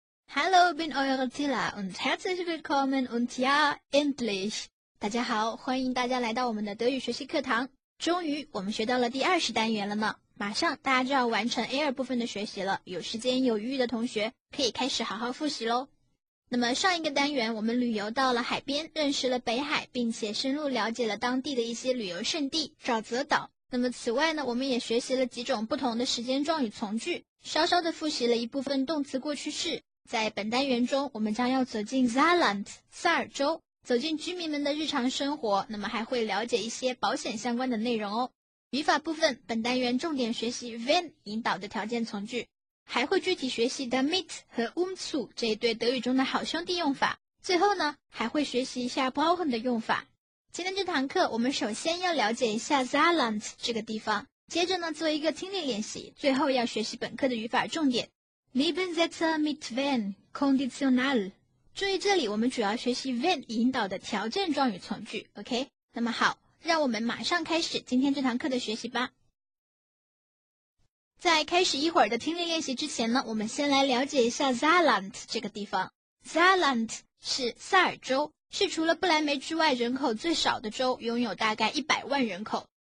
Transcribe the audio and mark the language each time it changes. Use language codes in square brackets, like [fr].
[de] Hallo, bin eure Tila und herzlich willkommen und ja, endlich! [zh] 大家好，欢迎大家来到我们的德语学习课堂。终于，我们学到了第二十单元了呢。马上大家就要完成 AR 部分的学习了，有时间有余裕的同学可以开始好好复习咯。那么上一个单元我们旅游到了海边，认识了北海，并且深入了解了当地的一些旅游胜地沼泽岛。那么此外呢，我们也学习了几种不同的时间状语从句，稍稍地复习了一部分动词过去式。在本单元中，我们将要走进 Saarland 萨尔州，走进居民们的日常生活，那么还会了解一些保险相关的内容哦。语法部分，本单元重点学习 wenn 引导的条件从句，还会具体学习 damit 和 zu 这一对德语中的好兄弟用法。最后呢，还会学习一下 brauchen 的用法。今天这堂课，我们首先要了解一下 Saarland 这个地方，接着呢，做一个听力练习，最后要学习本课的语法重点。 [de] Nebensätze mit wenn, conditional. [zh] 注意这里我们主要学习 wenn 引导的条件状语从句 ,OK? 那么好，让我们马上开始今天这堂课的学习吧。在开始一会儿的听力练习之前呢，我们先来了解一下 Saarland 这个地方。 Saarland 是萨尔州，是除了不来梅之外人口最少的州，拥有大概100万人口。